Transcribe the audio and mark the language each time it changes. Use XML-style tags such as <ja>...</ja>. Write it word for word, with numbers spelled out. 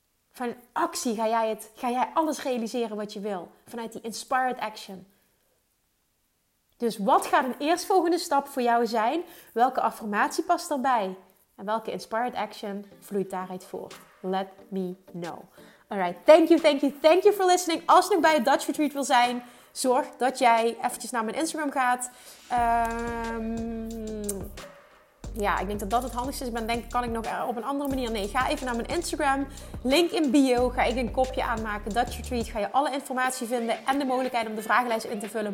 <nl>Vanuit actie ga jij, het, ga jij alles realiseren wat je wil. Vanuit die inspired action. Dus wat gaat een eerstvolgende stap voor jou zijn? Welke affirmatie past daarbij? En welke inspired action vloeit daaruit voort?</nl> <en>Let me know. Alright, thank you, thank you, thank you for listening.</en> <nl>Als je nog bij het Dutch Retreat wil zijn, zorg dat jij eventjes naar mijn Instagram gaat. Um, ja, ik denk dat dat het handigste is. Maar denk, kan ik nog op een andere manier? Nee, ga even naar mijn Instagram. Link in bio. Ga ik een kopje aanmaken. Dutch Retreat. Ga je alle informatie vinden en de mogelijkheid om de vragenlijst in te vullen.</nl>